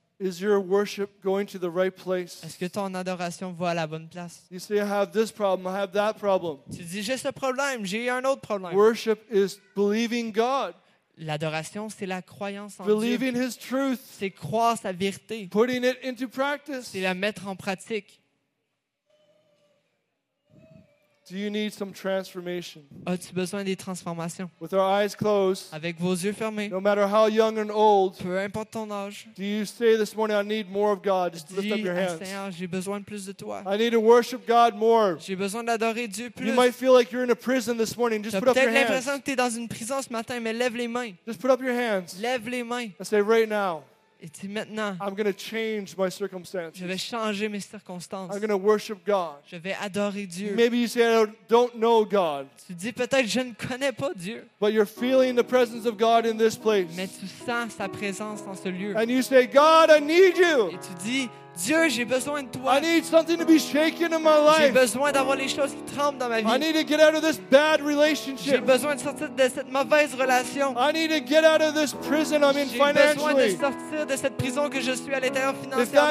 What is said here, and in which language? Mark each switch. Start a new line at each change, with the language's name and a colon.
English: Is your worship going to the right place?
French: Est-ce que ton adoration va à la bonne place?
English: You say, I have this problem, I have that problem.
French: Tu dis, j'ai ce problème, j'ai un autre problème.
English: Worship is believing God.
French: L'adoration, c'est la croyance en
English: believing
French: Dieu.
English: His truth.
French: C'est croire sa vérité.
English: Putting it into practice.
French: C'est la mettre en pratique.
English: Do you need some transformation?
French: As-tu besoin des transformations?
English: With our eyes closed.
French: Avec vos yeux fermés.
English: No matter how young and old.
French: Peu importe ton âge.
English: Do you say this morning, I need more of God? Just lift up your hands.
French: Dis, Seigneur, j'ai besoin de plus de toi.
English: I need to worship God more.
French: J'ai besoin d'adorer Dieu plus.
English: You might feel like you're in a prison this morning. Just put up your hands.
French: T'as peut-être l'impression que t'es dans une prison ce matin, mais lève les mains.
English: Just put up your hands.
French: Lève les mains.
English: I say right now.
French: Et dis maintenant.
English: I'm going to change my circumstances.
French: Je vais changer mes circonstances.
English: I'm going to worship God.
French: Je vais adorer Dieu.
English: Maybe you say I don't know God.
French: Tu dis peut-être je ne connais pas Dieu.
English: But you're feeling the presence of God in this place.
French: Mais tu sens sa présence dans ce lieu.
English: And you say, God, I need you.
French: Et tu dis Dieu, j'ai besoin de toi.
English: I need something to be shaken in my life.
French: J'ai besoin d'avoir les choses qui tremblent dans ma vie.
English: I need to get out of this bad relationship.
French: J'ai besoin de sortir de cette mauvaise relation.
English: I need to get out of this prison I'm in financially.
French: J'ai besoin de sortir de cette prison que je suis à l'intérieur financièrement.